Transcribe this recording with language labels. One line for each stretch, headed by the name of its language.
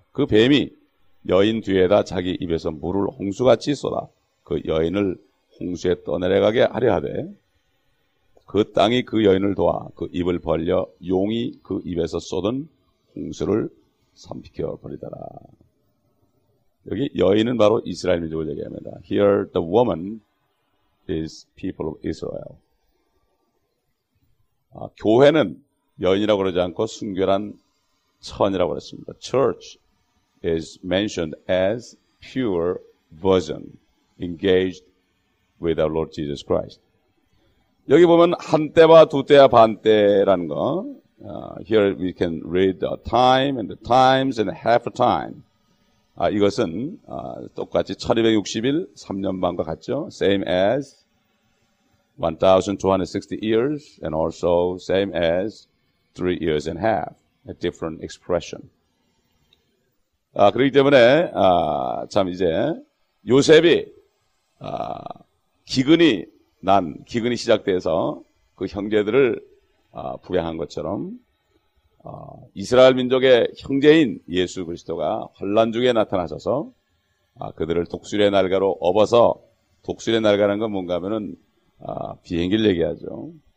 Korean: 그 뱀이 여인 뒤에다 자기 입에서 물을 홍수같이 쏟아 그 여인을 홍수에 떠내려가게 하려하되 그 땅이 그 여인을 도와 그 입을 벌려 용이 그 입에서 쏟은 홍수를 삼키켜 버리더라. 여기 여인은 바로 이스라엘 민족을 얘기합니다.
English: Here the woman is people of Israel.
Korean: 교회는 여인이라고 그러지 않고 순결한 천이라고 그랬습니다.
English: Church is mentioned as pure virgin engaged with our Lord Jesus Christ.
Korean: 여기 보면 한 때와 두 때와 반 때라는 거.
English: Here we can read the time and the times and half a time.
Korean: 이것은 똑같이 1260일 3년 반과 같죠.
English: Same as 1260 years and also same as 3 years and a half. A different expression.
Korean: 그렇기 때문에 참 이제 요셉이 기근이 시작돼서 그 형제들을 부양한 것처럼 이스라엘 민족의 형제인 예수 그리스도가 환난 중에 나타나셔서 그들을 독수리의 날개로 업어서 독수리의 날개라는 건 뭔가 하면은 비행기를 얘기하죠.